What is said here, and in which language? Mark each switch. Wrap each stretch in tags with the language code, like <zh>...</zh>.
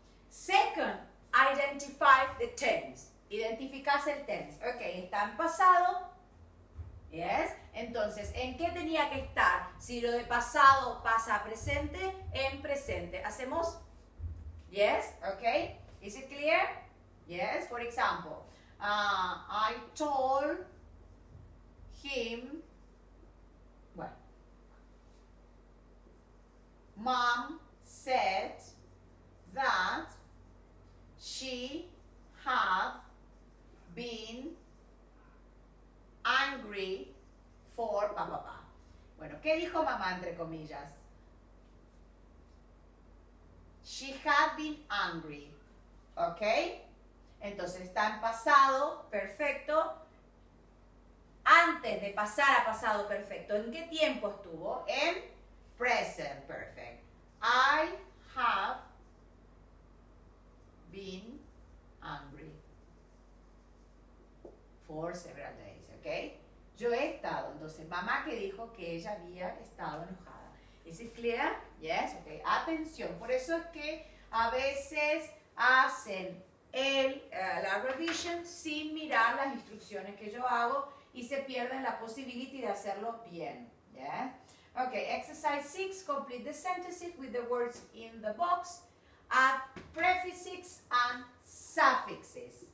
<en>Second, identify the tense.</en> <es>Identificas el tense. Ok, está en pasado. Yes. Entonces, ¿en qué tenía que estar? Si lo de pasado pasa a presente, en presente.</es> <en>Hacemos, yes, ok. Is it clear? Yes, for example, I told him, well, mom said that she had been angry for blah, blah, blah.</en> <es>Bueno, ¿qué dijo mamá entre comillas?</es> <en>She had been angry, okay?</en> <es>Entonces está en pasado, perfecto. Antes de pasar a pasado perfecto, ¿en qué tiempo estuvo? En present perfect.</es> <en>I have been angry for several days, ¿ok?</en> <es>Yo he estado. Entonces, mamá que dijo que ella había estado enojada. ¿Es clear? Yes, ok. Atención. Por eso es que a veces hacen la revision sin mirar las instrucciones que yo hago y se pierden la posibilidad de hacerlo bien.</es> <en>Yeah? Okay, exercise 6, complete the sentences with the words in the box, add prefixes and suffixes.</en>